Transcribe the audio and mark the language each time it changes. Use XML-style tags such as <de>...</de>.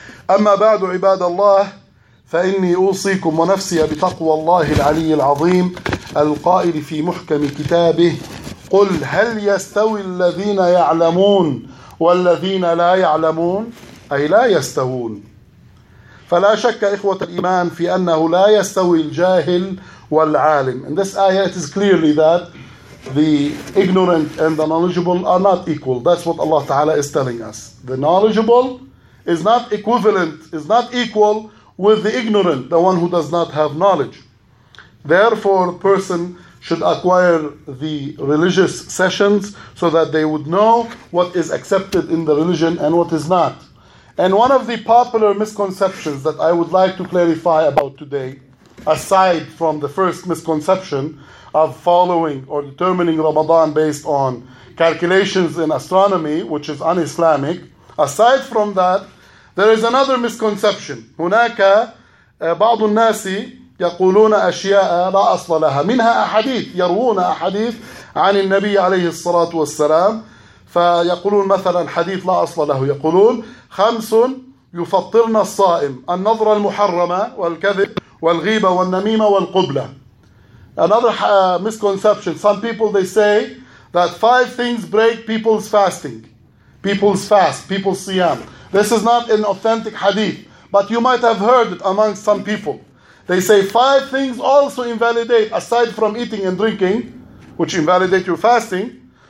<ar>أما بعد عباد الله، فإني أوصيكم ونفسي بتقوى الله العلي العظيم القائل في محكم كتابه: قل هل يستوي الذين يعلمون والذين لا يعلمون؟ أي لا يستوون. فلا شك إخوة الإيمان في أنه لا يستوي الجاهل والعالم.</ar> <en>In this ayah it is clearly that the ignorant and the knowledgeable are not equal. That's what Allah Ta'ala is telling us. The knowledgeable is not equivalent, is not equal with the ignorant, the one who does not have knowledge. Therefore, a person should acquire the religious sessions so that they would know what is accepted in the religion and what is not. And one of the popular misconceptions that I would like to clarify about today, aside from the first misconception of following or determining Ramadan based on calculations in astronomy, which is un-Islamic, aside from that, there is another misconception.</en> <ar>هناك بعض الناس يقولون أشياء لا أصل لها، منها أحاديث، يروون أحاديث عن النبي عليه الصلاة والسلام، فيقولون مثلا حديث لا أصل له، يقولون خمس يفطرن الصائم: النظر المحرمة والكذب والغيبة والنميمة والقبلة.</ar> <en>Another misconception. Some people, they say that five things break people's fasting, people's fast, people's siyam. This is not an authentic hadith, but you might have heard it amongst some people. They say five things also invalidate, aside from eating and drinking, which invalidate your fasting.</en>